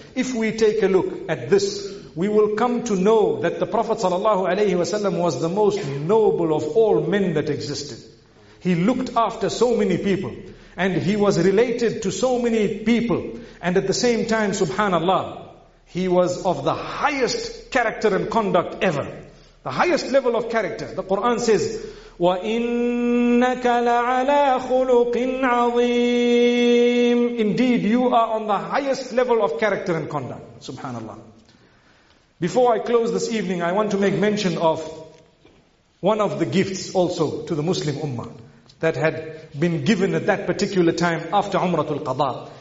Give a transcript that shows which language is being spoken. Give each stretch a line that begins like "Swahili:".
English: If we take a look at this, we will come to know that the Prophet sallallahu alayhi wa sallam was the most noble of all men that existed. He looked after so many people, and he was related to so many people. And at the same time, subhanallah, he was of the highest character and conduct ever. The highest level of character. The Quran says,
Arabic: وَإِنَّكَ لَعَلَىٰ خُلُقٍ عَظِيمٍ.
English: Indeed, you are on the highest level of character and conduct. Subhanallah. Before I close this evening, I want to make mention of one of the gifts also to the Muslim Ummah that had been given at that particular time after Umratul Qadha.